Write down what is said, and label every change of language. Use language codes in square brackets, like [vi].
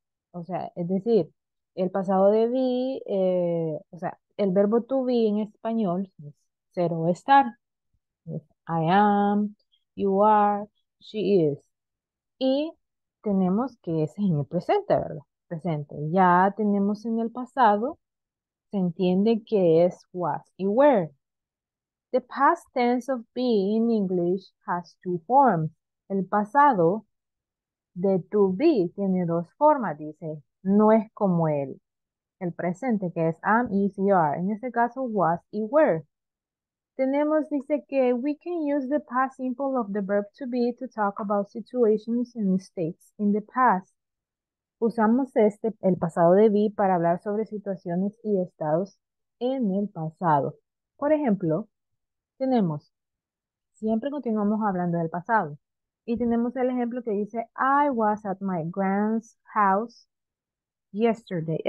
[es] O sea, es decir, el pasado de be, o sea, el verbo to be en español es ser o estar. Es I am, you are, she is. Y tenemos que es en el presente, ¿verdad? Presente. Ya tenemos en el pasado, se entiende que es was y were. [en] The past tense of be in English has two forms. [es] El pasado de to be tiene dos formas, dice. No es como el presente, que es am, is, y are. En este caso, was y were. Tenemos, dice, que [en] we can use the past simple of the verb to be to talk about situations and states in the past. [es] Usamos este, el pasado de be, para hablar sobre situaciones y estados en el pasado. Por ejemplo, tenemos, siempre continuamos hablando del pasado. Y tenemos el ejemplo que dice, [en] I was at my grand's house yesterday.